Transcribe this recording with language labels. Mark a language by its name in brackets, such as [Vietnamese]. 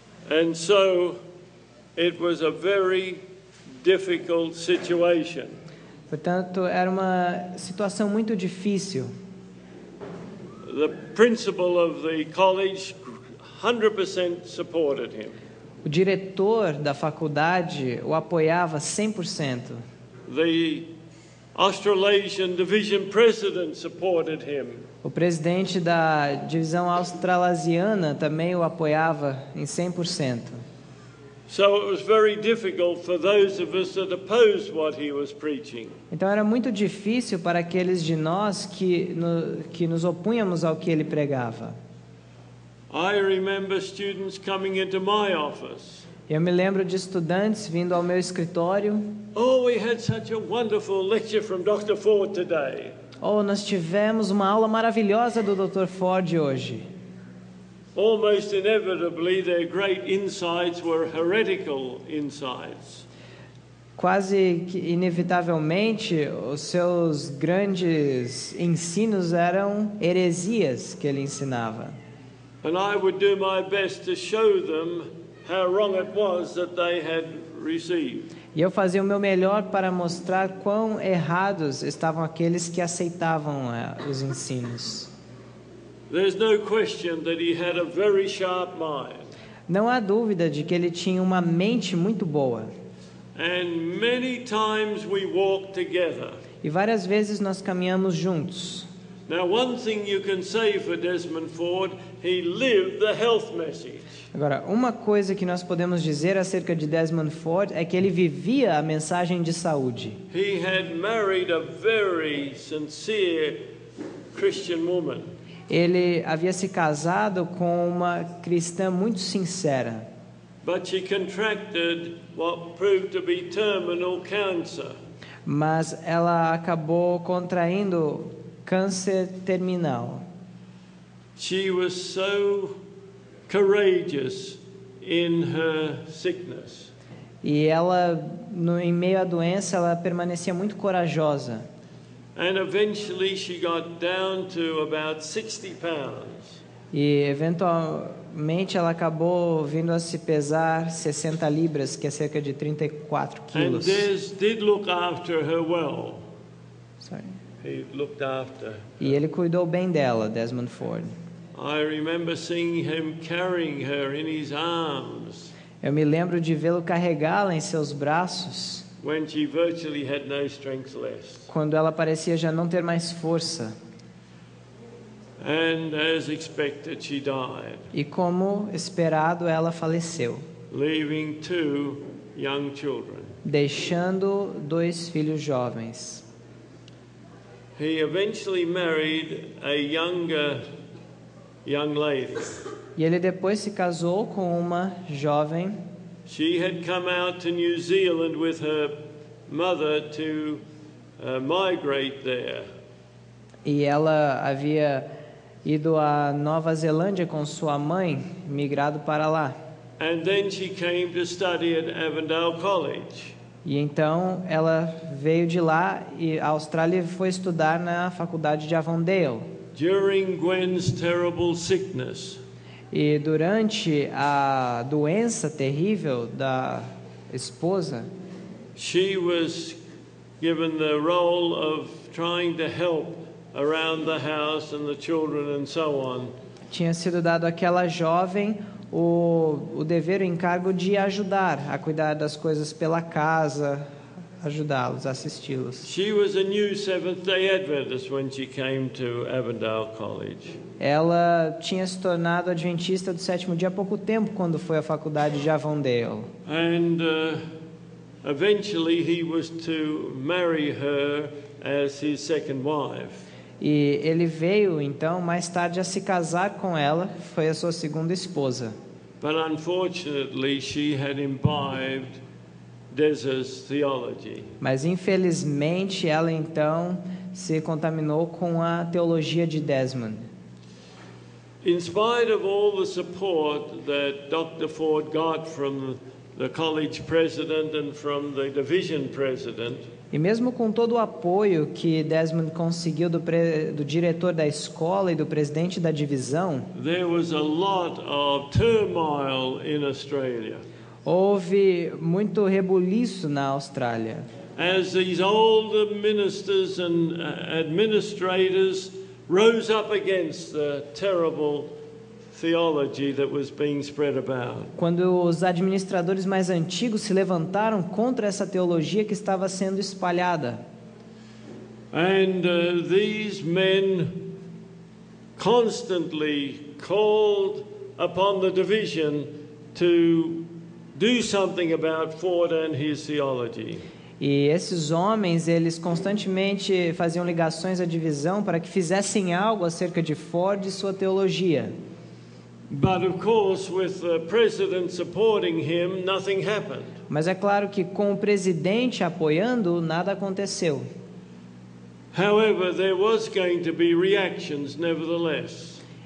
[English] And so it was a very difficult situation. [Portuguese] Portanto, era uma situação muito difícil. [English] The principal of the college 100% supported him. [Portuguese] O diretor da faculdade o apoiava 100%. [English] The Australasian division president supported him. [Portuguese] O presidente da divisão australasiana também o apoiava em 100%. [English] So it was very difficult for those of us that opposed what he was preaching. [Portuguese] Então era muito difícil para aqueles de nós que nos opunhamos ao que ele pregava. [English] I remember students coming into my office. [Portuguese] Eu me lembro de estudantes vindo ao meu escritório. [English] Oh, we had such a wonderful lecture from Dr. Ford today. [Portuguese] Oh, nós tivemos uma aula maravilhosa do Dr. Ford hoje. [English] Almost inevitably, their great insights were heretical insights. [Portuguese] Quase que inevitavelmente, os seus grandes ensinos eram heresias que ele ensinava. [English] And I would do my best to show them how wrong it was that they had received. [Portuguese] E eu fazia o meu melhor para mostrar quão errados estavam aqueles que aceitavam os ensinos. [English] There's no question that he had a very sharp mind. [Portuguese] Não há dúvida de que ele tinha uma mente muito boa. [English] And many times we walked together. [Portuguese] E várias vezes nós caminhamos juntos. [English] Now one thing you can say for Desmond Ford, he lived the health message. [Portuguese] Agora, uma coisa que nós podemos dizer acerca de Desmond Ford é que ele vivia a mensagem de saúde. [English] He had married a very sincere Christian woman. [Portuguese] Ele havia se casado com uma cristã muito sincera. [English] But she contracted what proved to be terminal cancer. [Portuguese] Mas ela acabou contraindo câncer terminal. [English] She was so courageous in her sickness. [Portuguese] E ela, em meio à doença, ela permanecia muito corajosa. [English] And eventually she got down to about 60 pounds. [Portuguese] E eventualmente ela acabou vindo a se pesar 60 libras, que é cerca de 34 quilos. [English] And Des did look after her well. Sorry. He looked after her. [Portuguese] E ele cuidou bem dela, Desmond Ford. [English] I remember seeing him carrying her in his arms. [Portuguese] Eu me lembro de vê-lo carregá-la em seus braços. [English] When she virtually had no strength left. [Portuguese] Quando ela parecia já não ter mais força. [English] And as expected, she died. [Portuguese] E como esperado, ela faleceu. [English] Leaving two young children. [Portuguese] Deixando dois filhos jovens. [English] He eventually married a young lady. [Portuguese] E ele depois se casou com uma jovem. [English] She had come out to New Zealand with her mother to migrate there. [Portuguese] E ela havia ido à Nova Zelândia com sua mãe, migrado para lá. [English] And then she came to study at Avondale College. [Portuguese] E então ela veio de lá e à Austrália foi estudar na faculdade de Avondale. [English] During Gwen's terrible sickness. [Portuguese] E durante a doença terrível da esposa, [English] she was given the role of trying to help around the house and the children and so on. [Portuguese] Tinha sido dado àquela jovem o dever, o encargo de ajudar a cuidar das coisas pela casa, ajudá-los, assisti-los. [English] She was a new Seventh-day Adventist when she came to Avondale College. [Portuguese] Ela tinha se tornado adventista do sétimo dia há pouco tempo quando foi à faculdade de Avondale. [English] And eventually he was to marry her as his second wife. [Portuguese] E ele veio então mais tarde a se casar com ela, foi a sua segunda esposa. [English] But unfortunately she had imbibed Des's theology. [Portuguese] Mas infelizmente ela então se contaminou com a teologia de Desmond. [English] In spite of all the support that Dr. Ford got from the college president and from the division president. [Portuguese] E mesmo com todo o apoio que Desmond conseguiu do diretor da escola e do presidente da divisão, [English] there was a lot of turmoil in Australia. [Portuguese] Houve muito rebuliço na Austrália. [English] As these older ministers and administrators rose up against the terrible theology that was being spread about. [Portuguese] Quando os administradores mais antigos se levantaram contra essa teologia que estava sendo espalhada. [English] And these men constantly called upon the division to do something about Ford and his theology. [Portuguese] E esses homens, eles constantemente faziam ligações à divisão para que fizessem algo acerca de Ford e sua teologia. [English] But of course, with the president supporting him, nothing happened. [Portuguese] Mas é claro que com o presidente apoiando, nada aconteceu. [English] However, there was going to be reactions nevertheless.